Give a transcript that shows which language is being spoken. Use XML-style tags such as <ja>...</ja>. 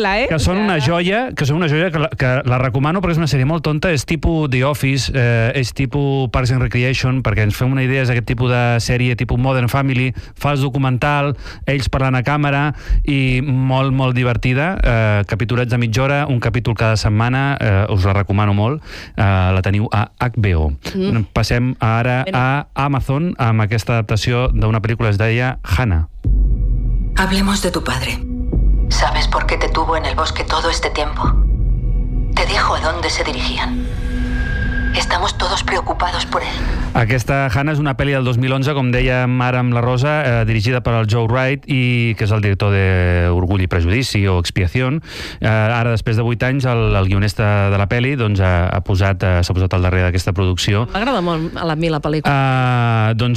<ca>Que són una joia que la recomano perquè és una sèrie molt tonta, és tipus The Office, és tipus Parks and Recreation, perquè ens fem una idea, és aquest tipus de sèrie, tipus Modern Family, fals documental, ells parlant a càmera i molt, molt divertida, capítolets de mitja hora, un capítol cada setmana. Us la recomano molt, la teniu a HBO. Passem ara a Amazon amb aquesta adaptació d'una pel·lícula que es deia Hannah.</ca> <es>Hablemos de tu padre. ¿Sabes por qué te tuvo en el bosque todo este tiempo? Te dijo a dónde se dirigían. Estamos todos preocupados por él.</es> <ca>Aquesta Hannah és una pel·li del 2011, com dèiem ara amb la Rosa, dirigida per el Joe Wright, i que és el director d'Orgull i Prejudici o Expiación. Ara, després de 8 anys, el guionista de la pel·li doncs, s'ha posat al darrere d'aquesta producció. M'agrada molt a mi la pel·lícula.</ca>